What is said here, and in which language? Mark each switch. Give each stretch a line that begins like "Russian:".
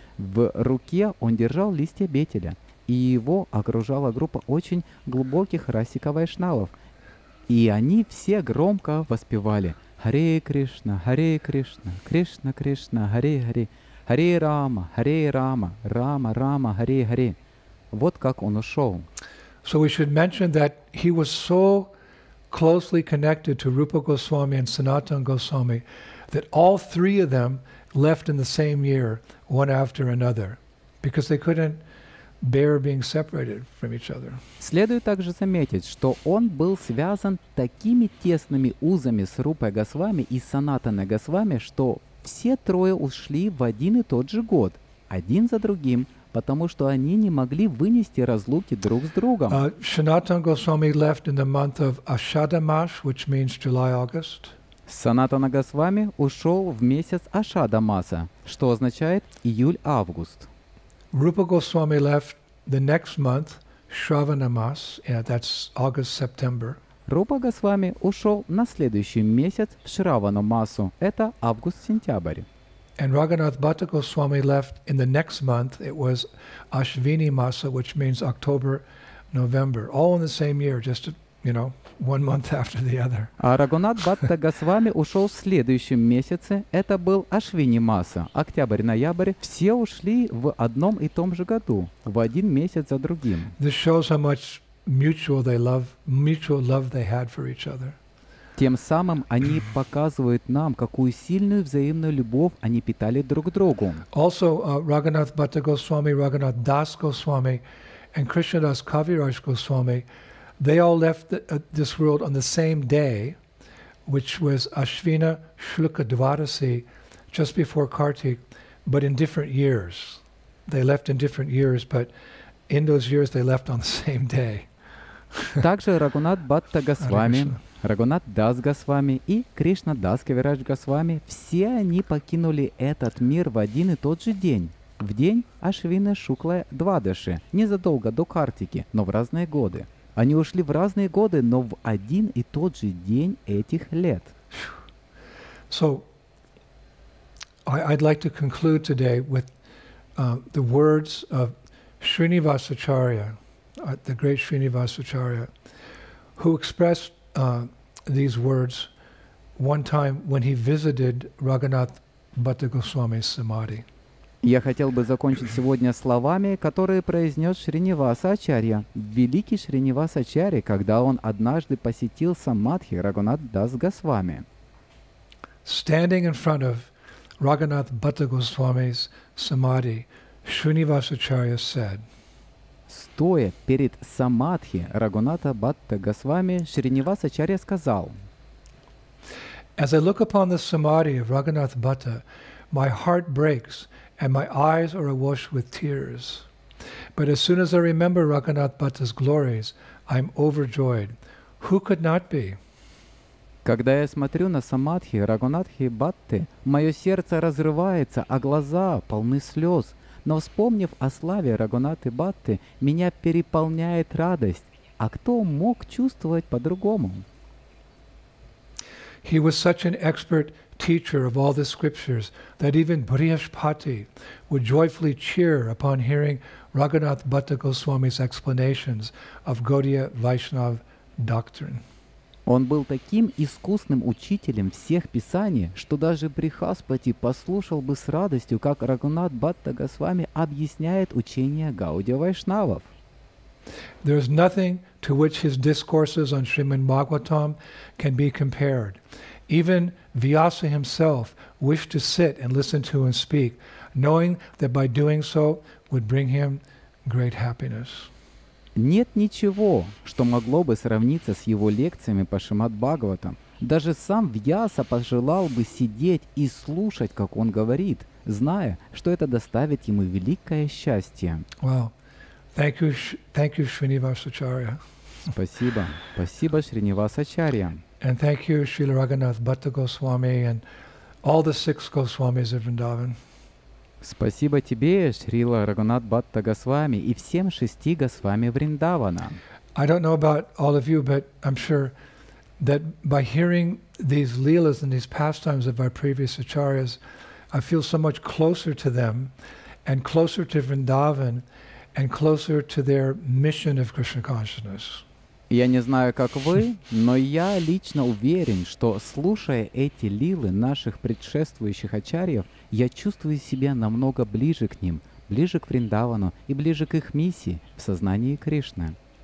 Russian: В руке он держал листья бетеля, и его окружала группа очень глубоких расика-вайшнавов. И они все громко воспевали «Харе Кришна, Кришна Кришна, Харе Харе, Харе Рама, Рама Рама, Харе Харе». Вот как он ушел.
English: So we should mention that he was so closely connected to Rupa Goswami and Sanatana Goswami that all three of them left in the same year, one after another, because they couldn't bear being separated from each other.
Russian: Следует также заметить, что он был связан такими тесными узами с Рупой Госвами и Санатаной Госвами, что все трое ушли в один и тот же год, один за другим, потому что они не могли вынести разлуки друг с другом.
English: Sanatana Goswami left in the month of Ashada Mash, which means July-August.
Russian: Санатана Госвами ушел в месяц Ашада Маса, что означает июль-август.
English: Рупа Госвами left the next month, Шравана Мас, yeah, that's August-September.
Russian: Рупа Госвами ушел на следующий месяц в Шравану Масу, это август-сентябрь.
English: And Рагханат Бхатта Госвами left in the next month, it was Ашвини Маса, which means October-November, all in the same year, just to, you know, one month after the other.
Russian: А Рагхунат Бхатта Госвами ушел в следующем месяце. Это был Ашвини Маса, октябрь-ноябрь. Все ушли в одном и том же году, в один месяц за другим.
English: This shows how much mutual love they had for each other.
Russian: Тем самым они показывают нам, какую сильную взаимную любовь они питали друг другу.
English: Also, Рагхунат Бхатта Госвами, Рагхунат Дас Госвами, and Кришнадас Кавирадж Госвами, they all left this world on the same day, which was Ashvina Shukla Dwadasi, just before Kartik, but in different years. They left in different years, but in those years they left on the same day.
Russian: Также Рагхунат Бхатта Госвами, Рагхунат Дас Госвами и Кришна Дас Кавирадж Госвами, все они покинули этот мир в один и тот же день, в день Ашвина Шукла Двадаши, незадолго до Картики, но в разные годы. Они ушли в разные годы, но в один и тот же день этих лет.
English: So, I'd like to conclude today with the words of Srinivasacharya, the great Srinivasacharya, who expressed these words one time when he visited Рагхунат Бхатта Госвами's Samadhi.
Russian: Я хотел бы закончить сегодня словами, которые произнес Шринивас Ачарья, великий Шринивас Ачарья, когда он однажды посетил Самадхи Рагхунат Дас Госвами.
English: Standing in front of Рагхунат Бхатта Госвами's Samadhi, Шринивас Ачарья said,
Russian: стоя перед Самадхи Рагхунатха Бхатта Госвами, Шринивас Ачарья сказал,
English: as I look upon the Samadhi of Рагхунат Бхатта, my heart breaks, and my eyes are awash with tears. But as soon as I remember Рагхунат Бхатта's glories, I'm overjoyed. Who could not be?
Russian: Когда я смотрю на самадхи, рагунатхи и батты, мое сердце разрывается, а глаза полны слез. Но вспомнив о славе рагунат и батты, меня переполняет радость. А кто мог чувствовать по-другому?
English: He was such an expert teacher of all the scriptures that even Brihaspati would joyfully cheer upon hearing Raghunath Bhatta Goswami's explanations of Gaudiya Vaishnav doctrine.
Russian: Он был таким искусным учителем всех писаний, что даже Брихаспати послушал бы с радостью, как Рагунат Бхатта Госвами объясняет учение Гаудия Вайшнавов.
English: There is nothing to which his discourses on Srimad Bhagavatam can be compared. Even Vyasa himself wished to sit and listen to and speak, knowing that by doing so would bring him great happiness.
Russian: Нет ничего, что могло бы сравниться с его лекциями по Шримад-Бхагаватам. Даже сам Вьяса пожелал бы сидеть и слушать, как он говорит, зная, что это доставит ему великое счастье.
English: Well, thank you, Шринивасачарья.
Russian: Спасибо. Спасибо, Шринивасачарья.
English: And thank you, Srila Raghunath Bhatta Goswami and all the six Goswamis of Vrindavan.
Russian: Спасибо тебе, Шрила Рагунат Бхатта Госвами и всем шести Госвами Вриндавана.
English: I don't know about all of you, but I'm sure that by hearing these leelas and these pastimes of our previous acharyas, I feel so much closer to them and closer to Vrindavan and closer to their mission of Krishna consciousness.
Russian: Я не знаю, как вы, но я лично уверен, что, слушая эти лилы наших предшествующих ачарьев, я чувствую себя намного ближе к ним, ближе к Вриндавану и ближе к их миссии в сознании Кришны.